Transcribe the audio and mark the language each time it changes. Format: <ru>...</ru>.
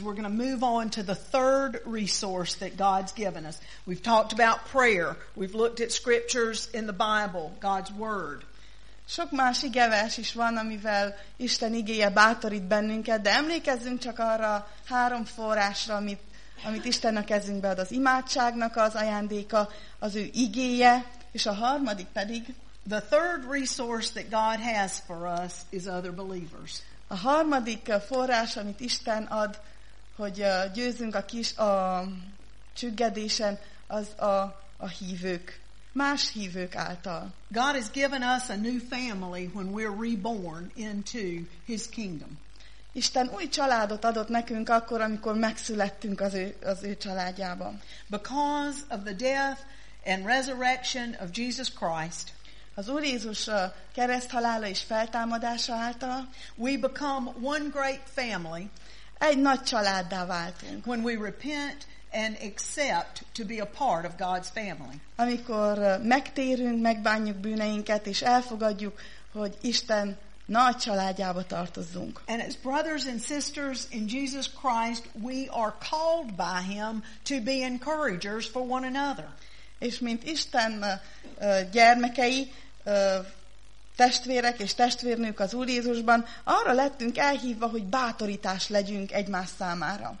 <en>We're going to move on to the third resource that God's given us. We've talked about prayer. We've looked at scriptures in the Bible, God's word.</en> <hu>Sok más igevers is van, amivel Isten igéje bátorít bennünket, de emlékezzünk csak arra három forrásra, amit Isten a kezünkbe ad, az imádságnak az ajándéka, az ő igéje, és a harmadik pedig.</hu> <en>The third resource that God has for us is other believers.</en> <hu>A harmadik forrás, amit Isten ad, hogy győzünk a csüggedésen, az a hívők, más hívők által.</hu> <en>God has given us a new family when we're reborn into his kingdom.</en> <hu>Isten új családot adott nekünk akkor, amikor megszülettünk az ő családjában.</hu> <en>Because of the death and resurrection of Jesus Christ.</en> <hu>Az Úr Jézus kereszthalála és feltámadása által</hu> <en>we become one great family.</en> <hu>Egy nagy családdá váltunk.</hu> <en>When we repent and accept to be a part of God's family.</en> <hu>Amikor megtérünk, megbánjuk bűneinket és elfogadjuk, hogy Isten nagy családjába tartozzunk.</hu> <en>And as brothers and sisters in Jesus Christ, we are called by him to be encouragers for one another.</en> <hu>És mint Isten gyermekei, testvérek és testvérnők az Úr Jézusban, arra lettünk elhívva, hogy bátorítás legyünk egymás számára.</hu>